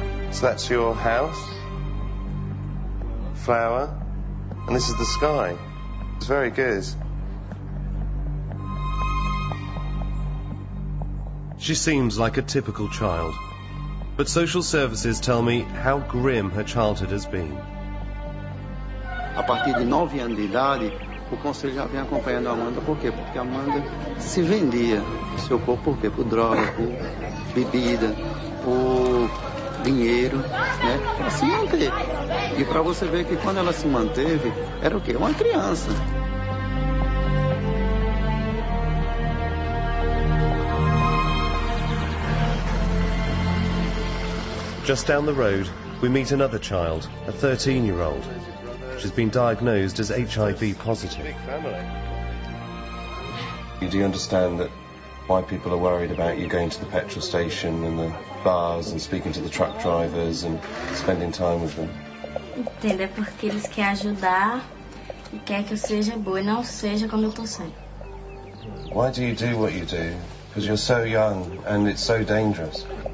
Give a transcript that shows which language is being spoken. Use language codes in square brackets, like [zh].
[en] So that's your house, flower, and this is the sky. It's very good. She seems like a typical child, but social services tell me how grim her childhood has been. [pt] A partir de 9 anos de idade, o conselho já vem acompanhando a Amanda. Por quê? Porque a Amanda se vendia seu corpo, por quê? Por droga, por bebida, por dinheiro, né? Para se manter. E para você ver que quando ela se manteve, era o quê? Uma criança. [en] Just down the road, we meet another child, a 13-year-old. She's been diagnosed as HIV positive. You do understand that why people are worried about you going to the petrol station and the bars and speaking to the truck drivers and spending time with them? [pt] Entendo, é porque eles querem ajudar e querem que eu seja boa e não seja como eu estou sendo. [en] Why do you do what you do? Because you're so young and it's so dangerous.